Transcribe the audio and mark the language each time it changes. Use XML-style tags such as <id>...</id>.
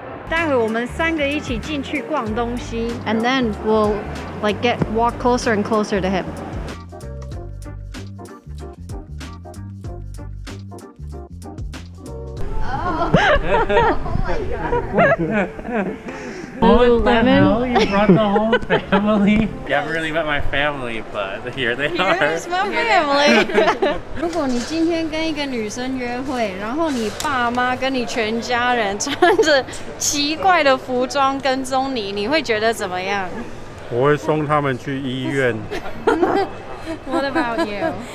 <zh>待会我们三个一起进去逛东西。</zh> <en>And then we'll like get walk closer and closer to him. Oh. Oh my god. What the hell? You brought the whole family? You haven't really met my family, but here they are. Here's my family.</en> <zh>如果你今天跟一个女生约会，然后你爸妈跟你全家人穿着奇怪的服装跟踪你，你会觉得怎么样？我会送他们去医院。</zh> <en>What about you?</en>